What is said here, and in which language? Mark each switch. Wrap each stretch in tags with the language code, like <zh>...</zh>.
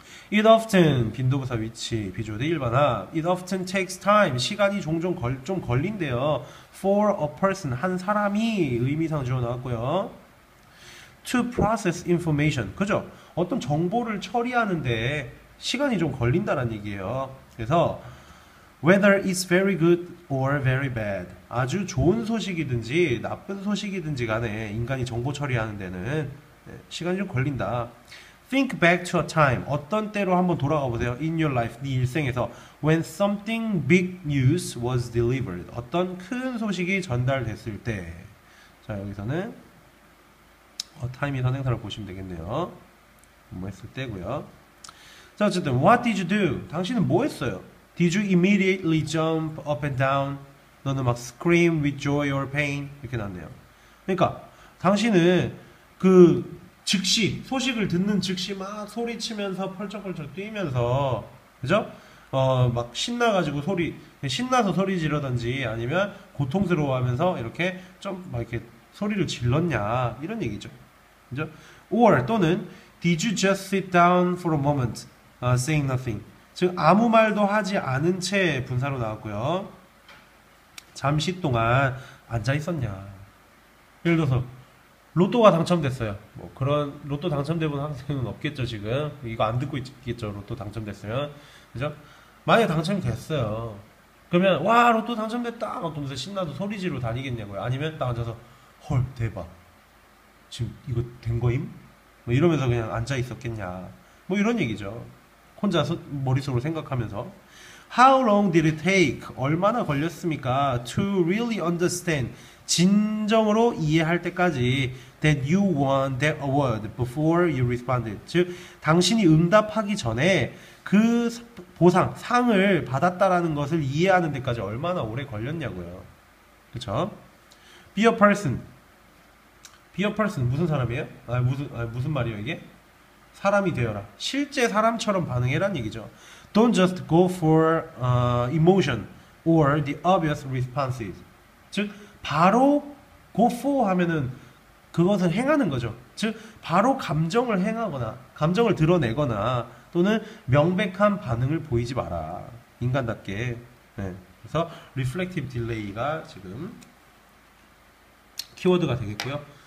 <en>It often</en> <ko>빈도부사 위치 비주얼 대 일반화.</ko> <en>It often takes time</en> <ko>시간이 종종 좀 걸린대요.</ko> <en>For a person</en> <ko>한 사람이 의미상 주어 나왔고요.</ko> <en>To process information 그죠?</en> <ko>어떤 정보를 처리하는데 시간이 좀 걸린다는 얘기예요. 그래서</ko> <en>Whether it's very good or very bad.</en> <ko>아주 좋은 소식이든지 나쁜 소식이든지 간에 인간이 정보 처리하는 데는 시간이 좀 걸린다.</ko> <en>Think back to a time.</en> <ko>어떤 때로 한번 돌아가 보세요.</ko> <en>In your life,</en> <ko>네 일생에서.</ko> <en>When something big news was delivered.</en> <ko>어떤 큰 소식이 전달됐을 때. 자, 여기서는 time이 선행사로 보시면 되겠네요. 뭐 했을 때고요. 자, 어쨌든,</ko> <en>what did you do?</en> <ko>당신은 뭐 했어요?</ko> <en>Did you immediately jump up and down?</en> <ko>너는 막</ko> <en>scream with joy or pain?</en> <ko>이렇게 났네요. 그러니까, 당신은 그 즉시, 소식을 듣는 즉시 막 소리치면서 펄쩍펄쩍 뛰면서, 그죠? 막 신나가지고 신나서 소리 지르던지 아니면 고통스러워하면서 이렇게 좀막 이렇게 소리를 질렀냐. 이런 얘기죠. 그죠?</ko> <en>Or</en> <ko>또는,</ko> <en>Did you just sit down for a moment, saying nothing?</en> <ko>즉, 아무 말도 하지 않은 채 분사로 나왔고요. 잠시 동안 앉아 있었냐. 예를 들어서, 로또가 당첨됐어요. 뭐, 그런, 로또 당첨된 학생은 없겠죠, 지금. 이거 안 듣고 있겠죠, 로또 당첨됐으면. 그죠? 만약에 당첨이 됐어요. 그러면, 와, 로또 당첨됐다! 막 동네 신나도 소리 지르고 다니겠냐고요. 아니면 딱 앉아서, 헐, 대박. 지금 이거 된 거임? 뭐, 이러면서 그냥 앉아 있었겠냐. 뭐, 이런 얘기죠. 혼자서 머릿속으로 생각하면서</ko> <en>How long did it take?</en> <ko>얼마나 걸렸습니까?</ko> <en>To really understand</en> <ko>진정으로 이해할 때까지</ko> <en>that you won that award before you responded</en> <ko>즉 당신이 응답하기 전에 그 보상, 상을 받았다라는 것을 이해하는 데까지 얼마나 오래 걸렸냐고요 그쵸?</ko> <en>Be a person</en> <ko>무슨 사람이에요? 무슨 말이에요 이게? 사람이 되어라. 실제 사람처럼 반응해란 얘기죠.</ko> <en>Don't just go for emotion or the obvious responses.</en> <ko>즉, 바로 go for 하면은 그것을 행하는 거죠. 즉, 바로 감정을 행하거나, 감정을 드러내거나, 또는 명백한 반응을 보이지 마라. 인간답게. 네. 그래서 reflective delay가 지금 키워드가 되겠고요.</ko>